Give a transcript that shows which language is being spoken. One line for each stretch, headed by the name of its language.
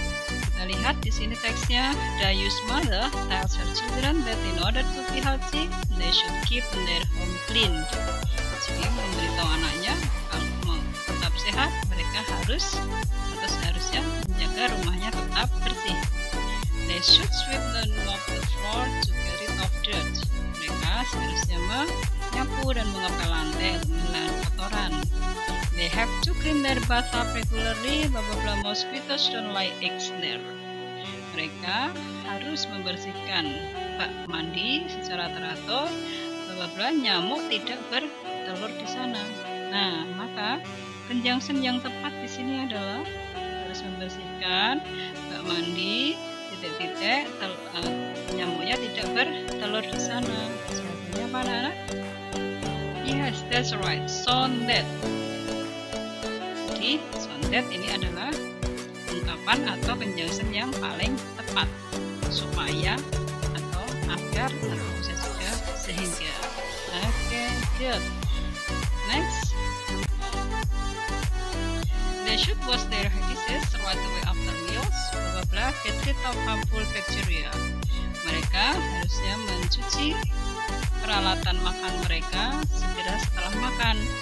Indonesian: Kita lihat di sini teksnya,
English: Dayu's mother tells her children that in order to be healthy, they should keep their home clean.
Indonesian: Jadi memberitahu anaknya, kalau mau tetap sehat, mereka harus atau seharusnya menjaga rumahnya tetap bersih.
English: They should sweep the mop the floor to get rid of dirt.
Indonesian: Mereka seharusnya menyapu dan mengepel lantai untuk menahan kotoran.
English: They have to clean their bathtub regularly, blah-blah-blah, mosquitoes don't like eggs there.
Indonesian: Mereka harus membersihkan bak mandi secara teratur, blah-blah-blah, nyamuk tidak bertelur di sana. Nah, maka conjunction yang tepat di sini adalah harus membersihkan bak mandi, titik-titik, nyamuknya tidak bertelur di sana. Sebenarnya apa, anak-anak?
English: Yes, that's right, so that.
Indonesian: So that ini adalah ungkapan atau conjunction yang paling tepat, supaya atau agar atau bisa juga sehingga.
English: Good. Next, they should wash their dishes right away after meals, blah blah, get rid of harmful bacteria.
Indonesian: Mereka harusnya mencuci peralatan makan mereka segera setelah makan.